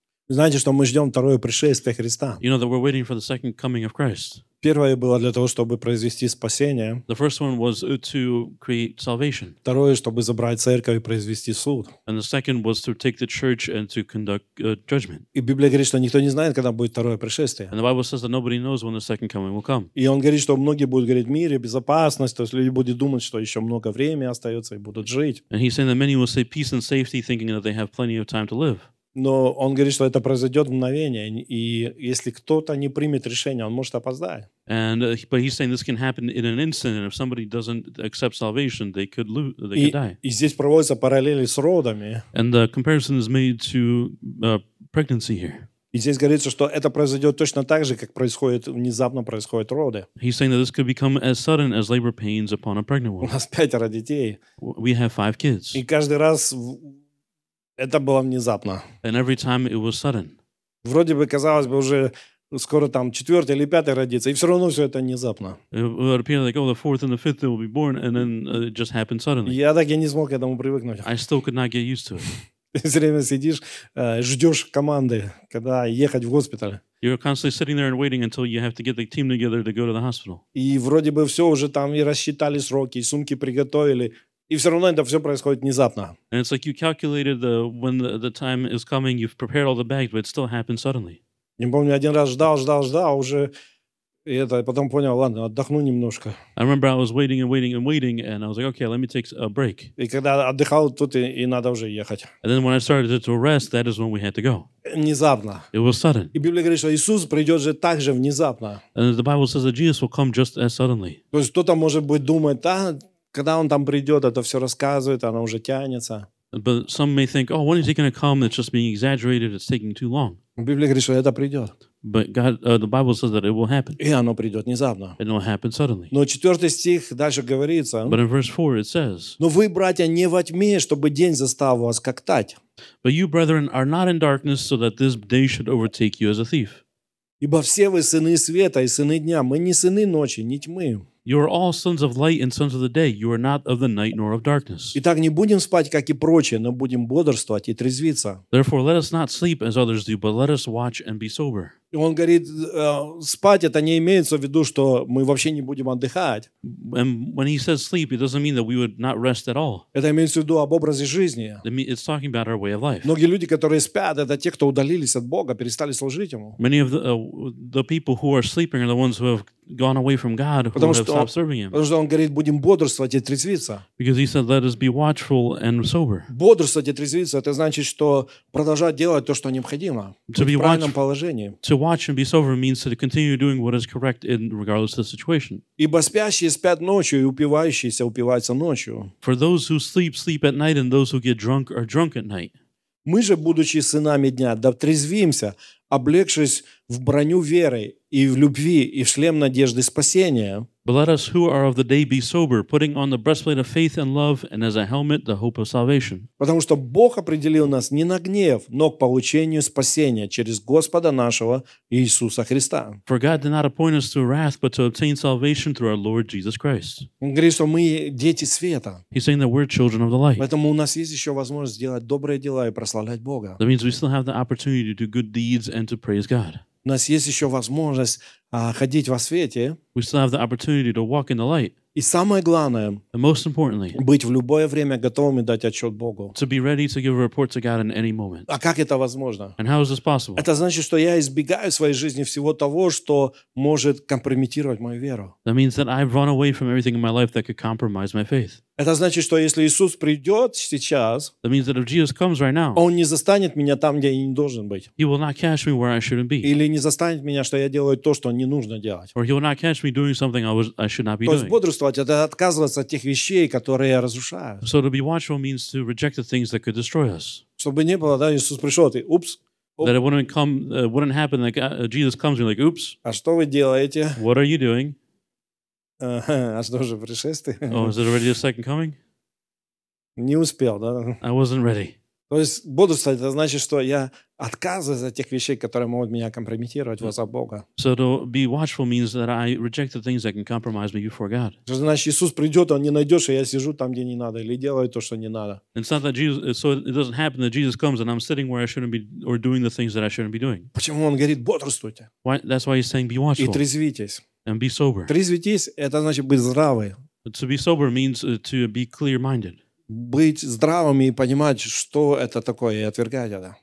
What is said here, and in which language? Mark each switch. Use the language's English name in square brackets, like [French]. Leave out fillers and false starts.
[Russian] Знаете, что мы ждем второе пришествие Христа? [English] You know that we're waiting for the second coming of Christ. [Russian] Первое было для того, чтобы произвести спасение. [English] The first one was to create salvation. [Russian] Второе, чтобы забрать церковь и произвести суд. [English] And the second was to take the church and to conduct judgment. [Russian] И Библия говорит, что никто не знает, когда будет второе пришествие. [English] And the Bible says that nobody knows when the second coming will come. [Russian] И он говорит, что многие будут говорить мир и безопасность, то есть люди будут думать, что еще много времени остается и будут жить. [English] And he's saying that many will say peace and safety, thinking that they have plenty of time to live. [Russian] Но он говорит, что это произойдет в мгновение, и если кто-то не примет решение, он может опоздать. [English] But he's saying this can happen in an instant, and if somebody doesn't accept salvation, they could lose, they could die. [Russian] И здесь проводятся параллели с родами. [English] And the comparison is made to pregnancy here. [Russian] И здесь говорится, что это произойдет точно так же, как происходит, внезапно происходят роды. [English] He's saying that this could become as sudden as labor pains upon a pregnant woman. [Russian] У нас пятеро детей. [English] We have five kids. [Russian] И каждый раз это было внезапно. [English] And every time it was sudden. [Russian] Вроде бы, казалось бы, уже скоро там четвертый или пятый родится, и все равно все это внезапно. Я так и не смог к этому привыкнуть. [English] I still could not get used to it. [Russian] Ты все время сидишь, ждешь команды, когда ехать в госпиталь. [English] You're constantly sitting there and waiting until you have to get the team together to go to the hospital. [Russian] И вроде бы все уже там и рассчитали сроки, и сумки приготовили. И все равно это все происходит внезапно. [English] And it's like you calculated the, when the time is coming, you've prepared all the bags, but it still happens suddenly. [Russian] Не помню, один раз ждал, уже и это, и потом понял, ладно, отдохну немножко. [English] I remember I was waiting, and I was like, okay, let me take a break. [Russian] И когда отдыхал, тут и надо уже ехать. [English] And then when I started to rest, that is when we had to go. [Russian] Внезапно. [English] It was sudden. [Russian] И Библия говорит, что Иисус придет же так же внезапно. [English] And the Bible says that Jesus will come just as suddenly. [Russian] То есть кто-то может быть думает, а когда он там придет, это все рассказывает, оно уже тянется. [English] But some may think, oh, when is he going to come? It's just being exaggerated. It's taking too long. [Russian] Библия говорит, что это придет. [English] But God, the Bible says that it will happen. [Russian] И оно придет внезапно. [English] It will happen suddenly. [Russian] Но четвертый стих дальше говорится. [English] But in verse 4 it says. [Russian] Но вы, братья, не во тьме, чтобы день застал вас как тать. [English] But you, brethren, are not in darkness, so that this day should overtake you as a thief. [Russian] Ибо все вы сыны света и сыны дня. Мы не сыны ночи, ни тьмы. [English] You are all sons of light and sons of the day. You are not of the night nor of darkness. [Russian] Итак, не будем спать, как и прочие, но будем бодрствовать и трезвиться. [English] Therefore, let us not sleep as others do, but let us watch and be sober. [Russian] И он говорит, спать это не имеется в виду, что мы вообще не будем отдыхать. [English] And when he says sleep, it doesn't mean that we would not rest at all. [Russian] Это имеется в виду об образе жизни. [English] It's talking about our way of life. [Russian] Многие люди, которые спят, это те, кто удалились от Бога, перестали служить ему. [English] Many of the people who are sleeping are the ones who have gone away from God, who [Russian] потому [English] have stopped serving him. [Russian] Потому что он говорит, будем бодрствовать и трезвиться. [English] Because he said, let us be watchful and sober. [Russian] Бодрствовать и трезвиться, это значит, что продолжать делать то, что необходимо. [English] To be [Russian] в правильном положении. [English] Watch and be sober means to continue doing what is correct in regardless of the situation. [Russian] Ибо спящие спят ночью, и упивающиеся упиваются ночью. [English] For those who sleep at night, and those who get drunk are drunk at night. [Russian] Мы же, будучи сынами дня, да трезвимся, облегшись в броню веры и в любви и в шлем надежды спасения. [English] But let us who are of the day be sober, putting on the breastplate of faith and love, and as a helmet the hope of salvation. [Russian] Потому что Бог определил нас не на гнев, но к получению спасения через Господа нашего Иисуса Христа. [English] For God did not appoint us to wrath, but to obtain salvation through our Lord Jesus Christ. [Russian] Он говорит, что мы дети света. [English] He's saying that we're children of the light. [Russian] Поэтому у нас есть еще возможность делать добрые дела и прославлять Бога. [English] That means we still have the opportunity to do good deeds and to praise God. [Russian] У нас есть еще возможность ходить во свете. [English] We still have the opportunity to walk in the light. [Russian] И самое главное, [English] and most importantly, [Russian] быть в любое время готовым и дать отчет Богу. [English] To be ready to give a report to God in any moment. [Russian] А как это возможно? [English] And how is this possible? [Russian] Это значит, что я избегаю в своей жизни всего того, что может компрометировать мою веру. [English] That means that I've run away from everything in my life that could compromise my faith. [Russian] Это значит, что если Иисус придет сейчас, [English] that means that if Jesus comes right now, [Russian] Он не застанет меня там, где я не должен быть. [English] He will not catch me where I shouldn't be. [Russian] Или не застанет меня, что я делаю то, что не нужно делать. [English] Or He will not catch me doing something I should not be doing. [Russian] То есть бодрствовать — это отказываться от тех вещей, которые разрушают. [English] So to be watchful means to reject the things that could destroy us. [Russian] Чтобы не было, да, Иисус пришел, ты, упс, [English] That it wouldn't come, wouldn't happen. Like Jesus comes, you're like, oops. [Russian] А что вы делаете? [English] What are you doing? [Russian] А что же пришествие? [English] Oh, is it already the second coming? [Russian] Не успел, да? [English] I wasn't ready. [Russian] То есть бодрствовать, это значит, что я отказываюсь от тех вещей, которые могут меня компрометировать возле Бога. [English] So to be watchful means that I reject the things that can compromise me before God. [Russian] Это значит, Иисус придет, он не найдет, что я сижу там, где не надо, или делаю то, что не надо. [English] It's not that Jesus, so it doesn't happen that Jesus comes and I'm sitting where I shouldn't be or doing the things that I shouldn't be doing. [Russian] Почему он говорит, бодрствуйте? [English] Why, that's why he's saying, be watchful. [Russian] И трезвитесь. [English] And be sober. [Russian] Трезвитесь, это значит быть здравым. [English] To be sober means to be clear-minded. [Russian] Быть здравым и понимать, что это такое, и отвергать это.